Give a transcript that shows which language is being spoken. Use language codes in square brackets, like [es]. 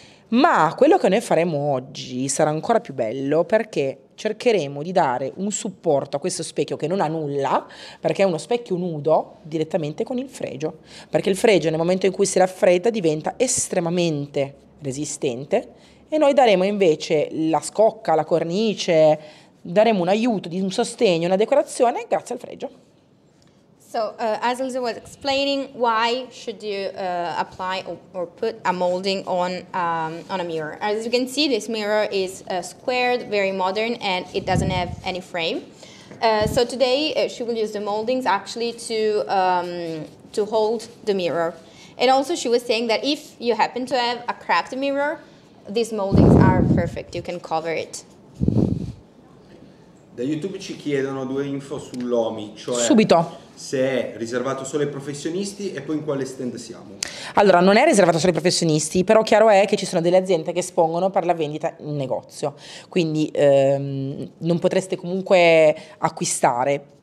[it] Ma quello che noi faremo oggi sarà ancora più bello, perché cercheremo di dare un supporto a questo specchio che non ha nulla, perché è uno specchio nudo, direttamente con il fregio. Perché il fregio, nel momento in cui si raffredda, diventa estremamente resistente e noi daremo invece la scocca, la cornice, daremo un aiuto, un sostegno, una decorazione grazie al fregio. [en] So, as Elsa was explaining, why should you apply or put a molding on a mirror? As you can see, this mirror is squared, very modern, and it doesn't have any frame. So today, she will use the moldings actually to hold the mirror. And also, she was saying that if you happen to have a cracked mirror, these moldings are perfect. You can cover it. [it] Da YouTube ci chiedono due info sull'OMI, cioè subito. Se è riservato solo ai professionisti e poi in quale stand siamo. Allora, non è riservato solo ai professionisti, però chiaro è che ci sono delle aziende che espongono per la vendita in negozio, quindi non potreste comunque acquistare.